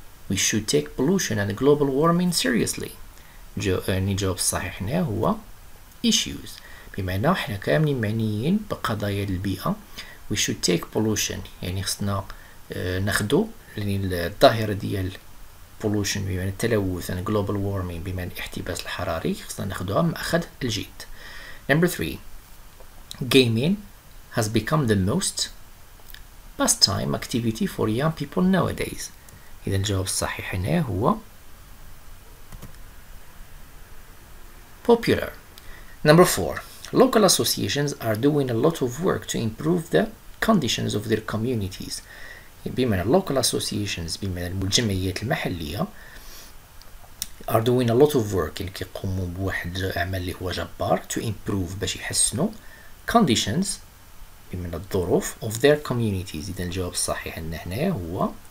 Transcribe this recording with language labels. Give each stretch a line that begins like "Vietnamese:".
English: We should take pollution and global warming seriously.
Arabic: الجواب الصحيح هنا هو issues. بمعنى احنا كاملين معنيين بقضايا البيئة.
English: We should take pollution.
Arabic: يعني خصنا ناخدو الظاهرة ديال pollution بمعنى التلوث
English: and global warming
Arabic: بمعنى الاحتباس الحراري. خصنا ناخدوها مأخذ الجيد.
English: Number three, gaming has become the most pastime activity for young people nowadays.
Arabic: إذا الجواب الصحيح هنا هو popular.
English: Number four. Local associations are doing a lot of work to improve the conditions of their communities.
Arabic: بمعنى
English: local associations
Arabic: بمعنى المجمعيات المحلية
English: are doing a lot of work
Arabic: يعني كيقوموا بواحد عمل اللي هو جبار
English: to improve
Arabic: باش يحسنوا conditions من الظروف
English: of their communities
Arabic: إذا الجواب الصحيح أن هنا هو